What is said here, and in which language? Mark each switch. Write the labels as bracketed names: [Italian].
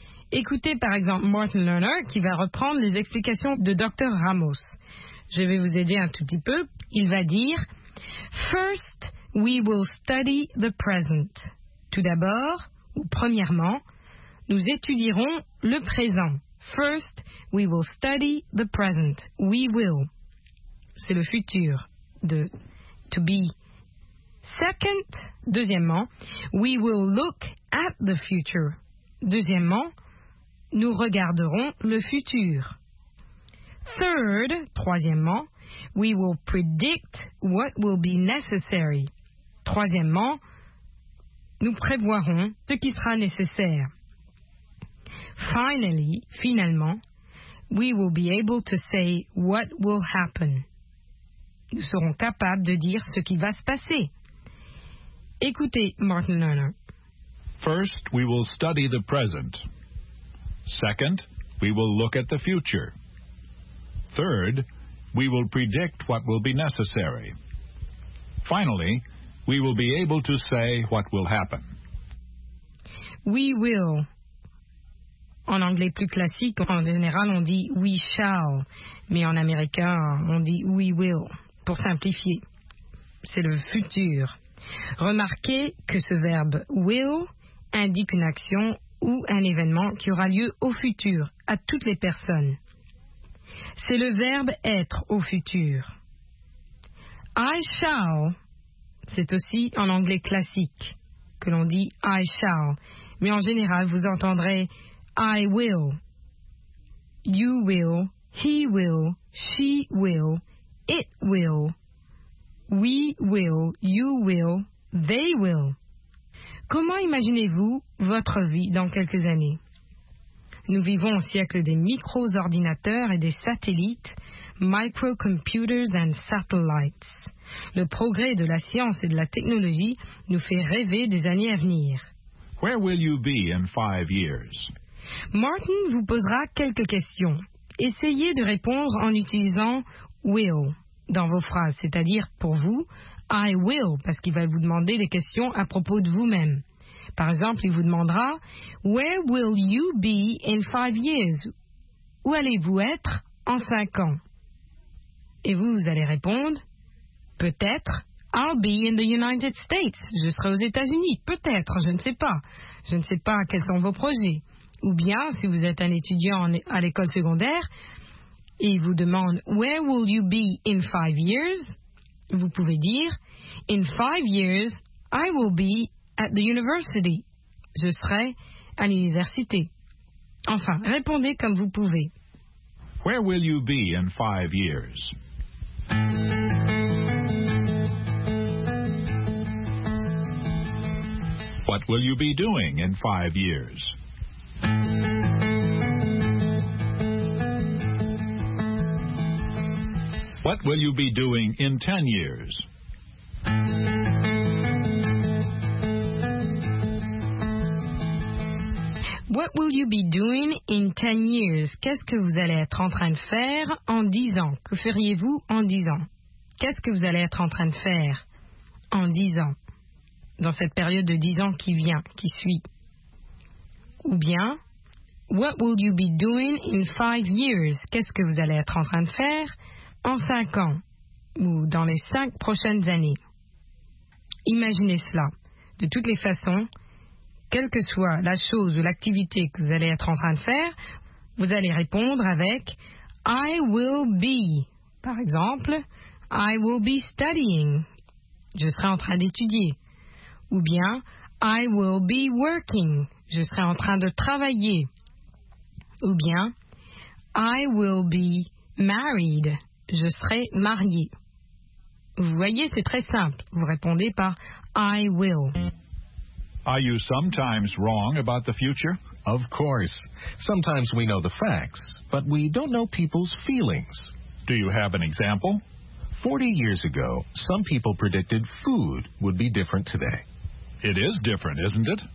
[French] Écoutez par exemple Martin Lerner qui va reprendre les explications de Dr. Ramos. Je vais vous aider un tout petit peu. Il va dire « [English] First, we will study the present. [French] » Tout d'abord, ou premièrement, nous étudierons le présent. [English] First, we will study the present. We will. [French] C'est le futur de to be. [English] Second, [French] deuxièmement, [English] we will look at the future. [French] Deuxièmement, nous regarderons le futur. [English] Third, [French] troisièmement, [English] we will predict what will be necessary. [French] Troisièmement, nous prévoirons ce qui sera nécessaire. [English] Finally, [French] finalement, [English] we will be able to say what will happen. [French] Nous serons capables de dire ce qui va se passer. Écoutez Martin Lerner. [English] First, we will study the present. Second, we will look at the future. Third, we will predict what will be necessary. Finally, we will be able to say what will happen. We will. [French] En anglais plus classique, en général, on dit [English] we shall. [French] Mais en américain, on dit [English] we will. [French] Pour simplifier, c'est le futur. Remarquez que ce verbe will indique une action ou un événement qui aura lieu au futur, à toutes les personnes. C'est le verbe être au futur. [English] I shall. [French] C'est aussi en anglais classique que l'on dit « [English] I shall ». [French] Mais en général, vous entendrez [English] « I will ». « You will »,« He will »,« She will »,« It will ». »« We will »,« You will »,« They will ». [French] Comment imaginez-vous votre vie dans quelques années? Nous vivons au siècle des micro-ordinateurs et des satellites « [English] microcomputers and satellites ». [French] Le progrès de la science et de la technologie nous fait rêver des années à venir. [English] Where will you be in 5 years? [French] Martin vous posera quelques questions. Essayez de répondre en utilisant « will » dans vos phrases, c'est-à-dire pour vous, « [English] I will [French] » parce qu'il va vous demander des questions à propos de vous-même. Par exemple, il vous demandera « [English] Where will you be in 5 years? [French] » Où allez-vous être en 5 ans? Et vous allez répondre « Peut-être, [English] I'll be in the United States. [French] Je serai aux États-Unis. Peut-être, je ne sais pas. Je ne sais pas quels sont vos projets. Ou bien, si vous êtes un étudiant à l'école secondaire, et il vous demande, [English] where will you be in 5 years? [French] Vous pouvez dire, [English] in 5 years, I will be at the university. [French] Je serai à l'université. Enfin, répondez comme vous pouvez. [English] Where will you be in 5 years? What will you be doing in 5 years? What will you be doing in 10 years? What will you be doing in 10 years? [French] Qu'est-ce que vous allez être en train de faire en 10 ans? Que feriez-vous en 10 ans? Qu'est-ce que vous allez être en train de faire en 10 ans? Dans cette période de 10 ans qui vient, qui suit. [English] Ou bien, what will you be doing in 5 years? [French] Qu'est-ce que vous allez être en train de faire en 5 ans? Ou dans les 5 prochaines années? Imaginez cela. De toutes les façons, quelle que soit la chose ou l'activité que vous allez être en train de faire, vous allez répondre avec « [English] I will be ». [French] Par exemple, [English] « I will be studying ». [French] Je serai en train d'étudier. Ou bien « [English] I will be working ». [French] Je serai en train de travailler. Ou bien « [English] I will be married ». [French] Je serai marié. Vous voyez, c'est très simple. Vous répondez par « [English] I will ». Are you sometimes wrong about the future? Of course. Sometimes we know the facts, but we don't know people's feelings. Do you have an example? 40 years ago, some people predicted food would be different today. It is different, isn't it?